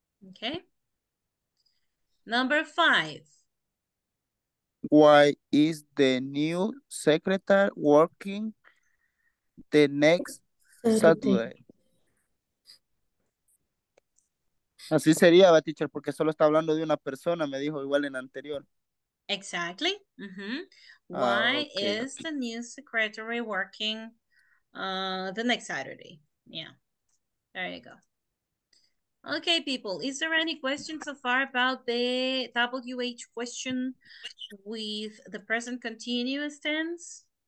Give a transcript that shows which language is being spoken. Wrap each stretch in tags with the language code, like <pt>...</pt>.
<en>Okay. Number five. Why is the new secretary working the next Saturday?</en> <es>Así sería, teacher, porque solo está hablando de una persona, me dijo igual en anterior.</es> <en>Exactly. Mm-hmm. Why is the new secretary working the next Saturday? Yeah, there you go. Okay, people, is there any question so far about the WH question with the present continuous tense?</en>